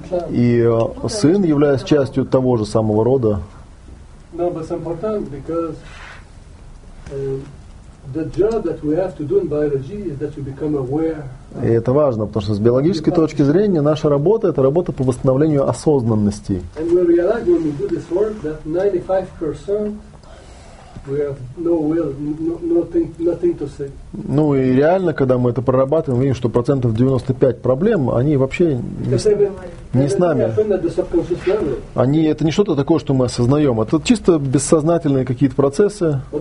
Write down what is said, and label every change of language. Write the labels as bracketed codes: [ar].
[ru] И сын, являясь частью того же самого рода, [en] No, but it's important because the job that we have to do in biology is that you become aware. [ru] И это важно, потому что с биологической точки зрения наша работа — это работа по восстановлению осознанности. [en] And we realize when we do this work that 95% we have no will, nothing to say. [ru] Ну и реально, когда мы это прорабатываем, видим, что процентов 95 проблем, они вообще не с нами. Они, это не что-то такое, что мы осознаем. Это чисто бессознательные какие-то процессы.